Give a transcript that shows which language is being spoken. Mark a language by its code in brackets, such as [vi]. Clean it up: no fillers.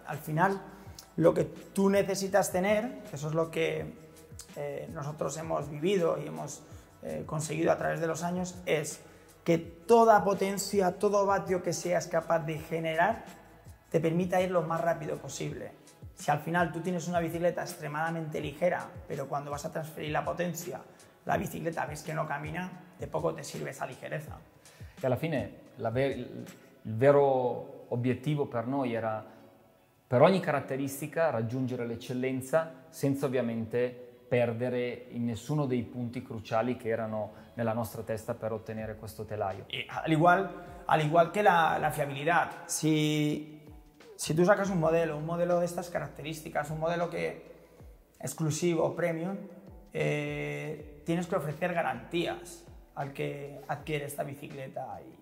[es] Al final, lo que tú necesitas tener, eso es lo que nosotros hemos vivido y hemos conseguido a través de los años, es que toda potencia, todo vatio que seas capaz de generar, te permita ir lo más rápido posible. Si al final tú tienes una bicicleta extremadamente ligera, pero cuando vas a transferir la potencia, la bicicleta ves que no camina, de poco te sirve esa ligereza. [it] Y alla fine il vero obiettivo per noi era per ogni caratteristica raggiungere l'eccellenza senza ovviamente perdere in nessuno dei punti cruciali che erano nella nostra testa per ottenere questo telaio. [es] E al igual che la fiabilità, si tú sacas un modelo de estas características, un modelo que exclusivo, premium, tienes que ofrecer garantías al que adquiere esta bicicleta.